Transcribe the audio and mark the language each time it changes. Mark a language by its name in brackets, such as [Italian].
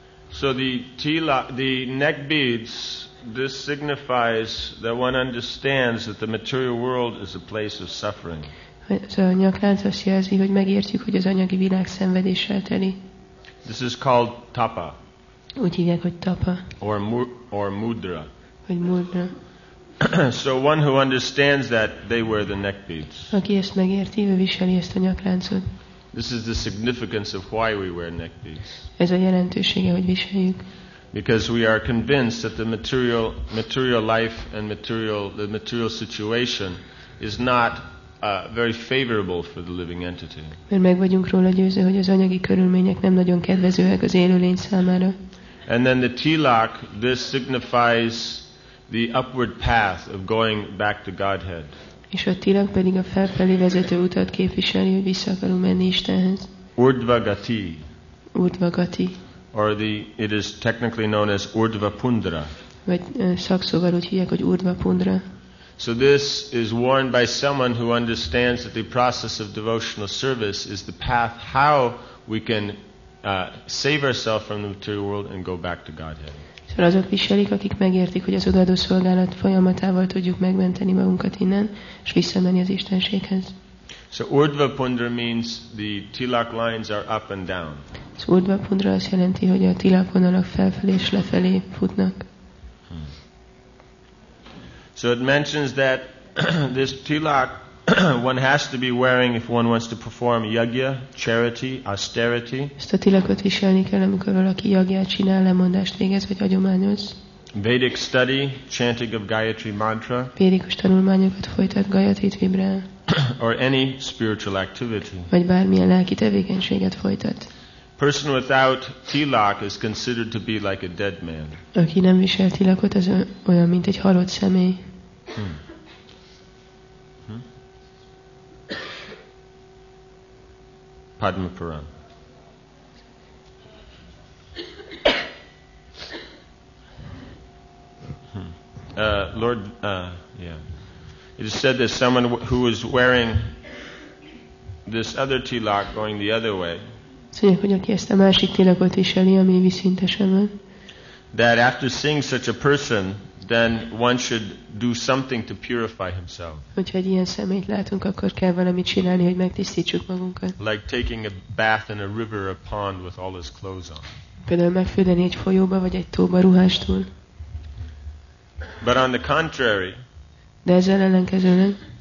[English] So the tilak, the neck beads, this signifies that one understands that the material world is a place of suffering. [Hungarian] So a nyaklánc azt jelzi, hogy megértjük, hogy az anyagi világ szenvedéssel teli. [English] This is called tapa. [Hungarian] Úgy hívják, hogy tapa. [English] Or mudra. [Hungarian] Vagy mudra. [English] So one who understands that, they wear the neck beads. [Hungarian] Aki ezt megérti, ő viseli ezt a nyakláncot. [English] This is the significance of why we wear neck beads. [Hungarian] Ez a jelentősége, hogy viseljük. [English] Because we are convinced that the material life and the material situation is not very favorable for the living entity. [Hungarian] Mert meg vagyunk róla győző, hogy az anyagi körülmények nem nagyon kedvezőek az élőlény számára. [English] And then the tilak, this signifies the upward path of going back to Godhead. [Hungarian] És a tilak pedig a felfelé vezető utat képviseli, hogy vissza akarunk menni Istenhez. [English] Urdvagati. [Hungarian] Urdvagati. [English] It is technically known as Urdvapundra. [Hungarian] vagy szakszóval úgy hívják, hogy Urdhva Pundra. [English] So this is worn by someone who understands that the process of devotional service is the path how we can save ourselves from the material world and go back to Godhead. [Hungarian] Szóval azok viselik, akik megértik, hogy az odaadó szolgálat folyamatával tudjuk megmenteni magunkat innen, és visszamenni az Istenséghez. [English] So Urdhva Pundra means the tilak lines are up and down. [Hungarian] Szóval Urdhva Pundra azt jelenti, hogy a tilak vonalak felfelé és lefelé futnak. [English] So it mentions that this tilak one has to be wearing if one wants to perform yagya, charity, austerity. [Hungarian] Ezt a tilakot viselni kell, amikor valaki yagyát csinál, lemondást végez, vagy adományoz. [English] Vedic study, chanting of Gayatri mantra. [Hungarian] Védikus tanulmányokat folytat, Gayatrit vibrál. [English] Or any spiritual activity. [Hungarian] Vagy bármilyen lelki tevékenységet folytat. [English] Person without tilak is considered to be like a dead man. [Hungarian] Aki nem visel tilakot, az olyan, mint egy halott személy. [English] Padma Puran. It is said that someone who is wearing this other tilak going the other way. [Hungarian] Szóval, hogy aki ezt a másik tilakot viseli, ami viszintesen van. [English] That after seeing such a person, then one should do something to purify himself. [Hungarian] Hogyha egy ilyen szemét látunk, akkor kell valamit csinálni, hogy megtisztítsuk magunkat. [English] Like taking a bath in a river or pond with all his clothes on. [Hungarian] Például megfürdeni egy folyóba vagy egy tóba ruhástól. [English] But on the contrary, [Hungarian] de ezzel ellenkezően,